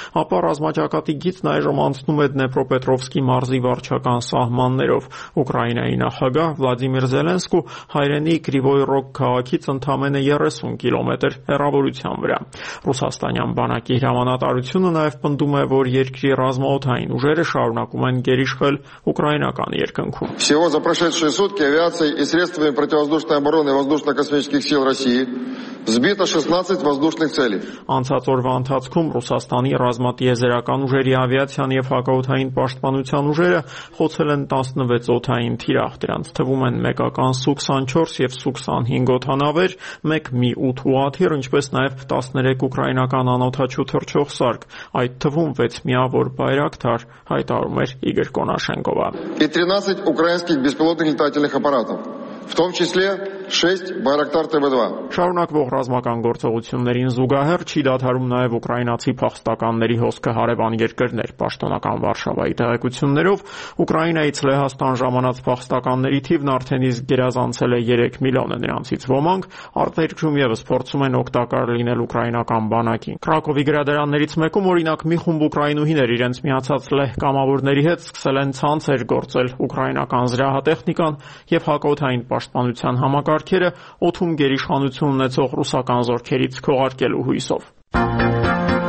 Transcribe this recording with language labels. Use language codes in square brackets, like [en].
[hy] ապա ռազմաճակատի գիծն այժմ անցնում է Դնեպրոպետրովսկի մարզի վարչական սահմաններով։ Ուկրաինայի նախագահ Վլադիմիր Զելենսկու հայրենի Կրիվոյ Ռոգ քաղաքից ընդամենը 30 կիլոմետր հեռավորության վրա։ Ռուսաստանյան բանակի հրամանատարությունը նաև պնդում է, որ երկրի ռազմաօդային ուժերը շարունակում են գերիշխել ուկրաինական երկնքում։ [ru] Всего за прошедшие сутки авиацией и средствами противовоздушной обороны воздушно-космической сил России сбито 16 воздушных целей. [hy] Անցած օրվա ընթացքում Ռուսաստանի ռազմատիեզերական ուժերի ավիացիան եւ հակաօդային պաշտպանության ուժերը խոցել են 16 օդային թիրախ, դրանց թվում են մեկական Su-24 եւ Su-25 օդանավեր, 1 Mi-8 ուղաթիռ, ինչպես նաեւ 13 ուկրաինական անօթաչու թռչող սարք, այդ թվում 6 միավոր Bayraktar, հայտարարում էր Իգոր Կոնաշենկովը։ [ru] И 13 украинских беспилотных летательных аппаратов. В том числе 6 Bayraktar TB2. [hy] Շարունակվող ռազմական գործողություններին զուգահեռ չի դադարում նաև ուկրաինացի փախստականների հոսքը հարևան երկրներ։ Պաշտոնական Վարշավայի տեղեկություններով Ուկրաինայից Լեհաստան ժամանած փախստականների թիվն արդեն իսկ գերազանցել է 3 միլիոնը, նրանցից ոմանք արտերկրում եւս փորձում են օգտակար լինել ուկրաինական բանակին։ Կրակովի գրադարաններից մեկում օրինակ մի խումբ ուկրաինուհիներ իրենց միացած Լեհ կամավորների հետ սկսել են ցանցեր գործել ուկրաինական զրահատեխնիկան եւ հակաօդային պաշտպանության համակարգերը օդում գերիշխանություն ունեցող ռուսական զորքերից քողարկելու հույսով։